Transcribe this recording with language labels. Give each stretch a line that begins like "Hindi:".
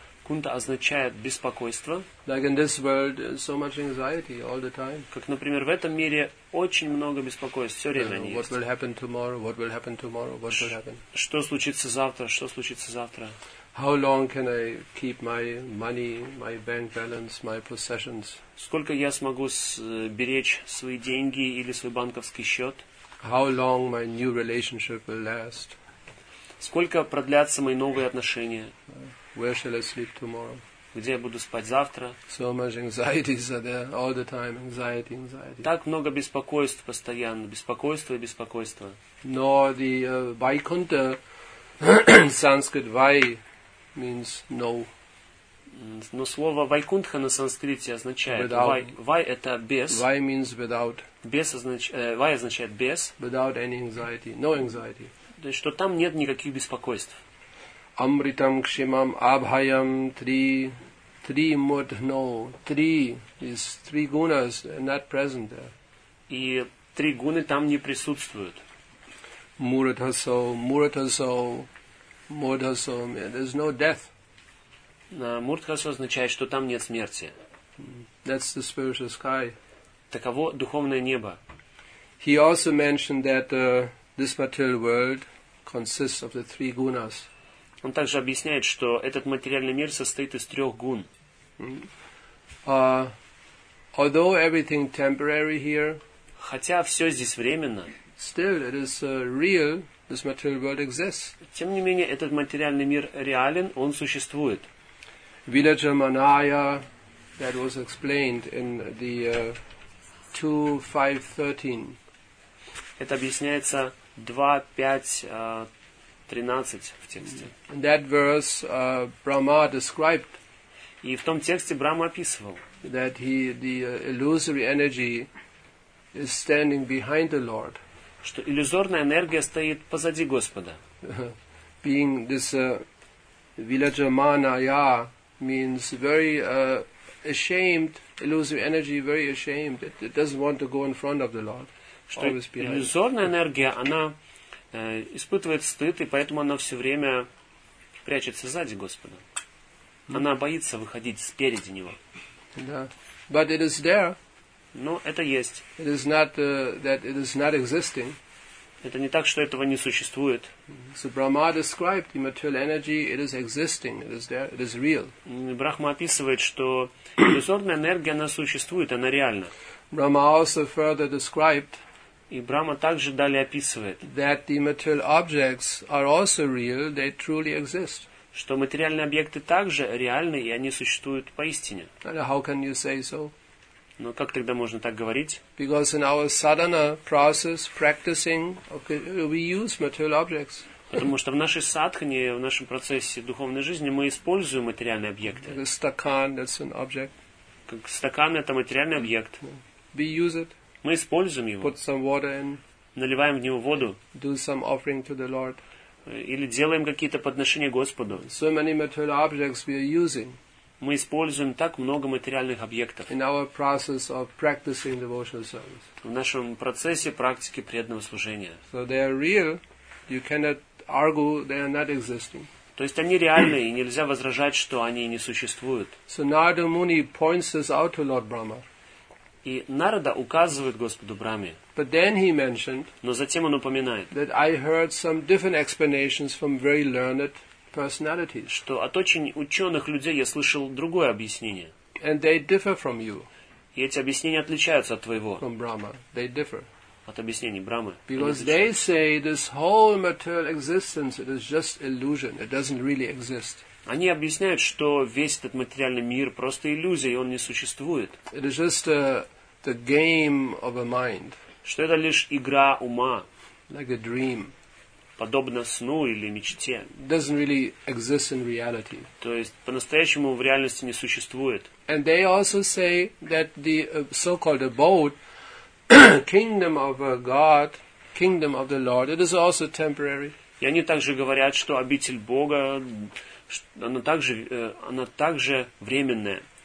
Russian: Кунта означает беспокойство.
English: Like in this world, so much anxiety all the time.
Russian: Как, например, в этом мире очень много беспокойств, все время они есть.
English: What will happen tomorrow? What will happen tomorrow? What will happen?
Russian: Что случится завтра? Что случится завтра?
English: How long can I keep my money, my bank balance, my possessions?
Russian: Сколько я смогу беречь свои деньги или свой банковский счет?
English: How long my new relationship will last?
Russian: Сколько продлятся мои новые отношения?
English: Where shall I sleep tomorrow?
Russian: Где я буду спать завтра?
English: So much anxieties are there all the time, anxiety, anxiety.
Russian: Так много беспокойств постоянно, беспокойство и беспокойство.
English: No, the Vaikunta Sanskrit Vai means no.
Russian: Но слово Вайкунтха на санскрите означает Вай это без.
English: Vai means without.
Russian: Без означает Вай означает без.
English: Without any anxiety, no anxiety.
Russian: То есть что там нет никаких беспокойств.
Sanskrit: Амритам кшемам абхайам три Три мудхно.
English: Три is three gunas not present there.
Russian: И три гуны там не присутствуют.
Sanskrit: Муратхасо, муратхасо, мудхасо,
English: there's no death.
Russian: Муртхасо означает, что там нет смерти.
English: That's the spiritual sky.
Russian: Таково духовное небо.
English: He also mentioned that this material world consists of the three gunas.
Russian: Он также объясняет, что этот материальный мир состоит из трех гун.
English: Although everything temporary here,
Russian: хотя все здесь временно,
English: still it is real, this material world exists.
Russian: Тем не менее, этот материальный мир реален, он существует.
English: Vidaja Manaya, that was explained in the 2.5.13.
Russian: Это объясняется 2.5.13 в тексте.
English: In that verse, Brahma described.
Russian: И в том тексте Брама описывал.
English: That he, the illusory energy, is standing behind the Lord.
Russian: Что иллюзорная энергия стоит позади Господа.
English: Being this Vidaja Manaya means very ashamed, illusory energy, very ashamed. It doesn't want to go in front of the Lord.
Russian: Что иллюзорная энергия, она испытывает стыд, и поэтому она все время прячется сзади Господа. Она боится выходить спереди Него.
English: Yeah. But it is there.
Russian: Но это есть.
English: It is not, that it is not existing.
Russian: Это не так, что этого не существует.
English: So Brahma described the material energy, it is existing, it is there, it is real.
Russian: Брахма описывает, что иллюзорная энергия, она существует, она реальна.
English: Brahma also further described,
Russian: и Брахма также далее описывает,
English: that the material objects are also real, they truly exist.
Russian: Что материальные объекты также реальны, и они существуют поистине.
English: And how can you say so?
Russian: Но как тогда можно так говорить?
English: Because in our sadhana process, practicing, okay, we use material objects.
Russian: Потому что в нашей садхане, в нашем процессе духовной жизни мы используем материальные объекты.
English: Like a stakhan, that's an object.
Russian: Как стакан, это материальный объект.
English: We use it.
Russian: Мы используем его.
English: Put some water in.
Russian: Наливаем в него воду.
English: Do some offering to the Lord.
Russian: Или делаем какие-то подношения Господу.
English: So many material objects we are using.
Russian: Мы используем так много материальных объектов
English: in our process of practicing devotional service.
Russian: В нашем процессе практики преданного служения.
English: So they are real. You cannot argue they are not existing.
Russian: То есть они реальны, и нельзя возражать, что они не существуют.
English: So Narada Muni points this out to Lord Brahma.
Russian: И Нарада указывает Господу Браме.
English: But then he mentioned,
Russian: но затем он упоминает,
English: that I heard some different explanations from very learned personalities.
Russian: Что от очень ученых людей я слышал другое объяснение.
English: And they differ from you.
Russian: И эти объяснения отличаются от твоего.
English: From Brahma. They differ.
Russian: От объяснений Брамы.
English: Because they say this whole material existence, it is just illusion. It doesn't really exist.
Russian: Они объясняют, что весь этот материальный мир просто иллюзия, и он не существует.
English: It is just the game of a mind.
Russian: Что это лишь игра ума.
English: Like a dream.
Russian: Подобно сну или мечте.
English: Doesn't really exist in reality.
Russian: То есть по-настоящему в реальности не существует.
English: And they also say that the so-called abode, kingdom of God, kingdom of the Lord, it is also temporary.
Russian: И они также говорят, что обитель Бога, она также временная.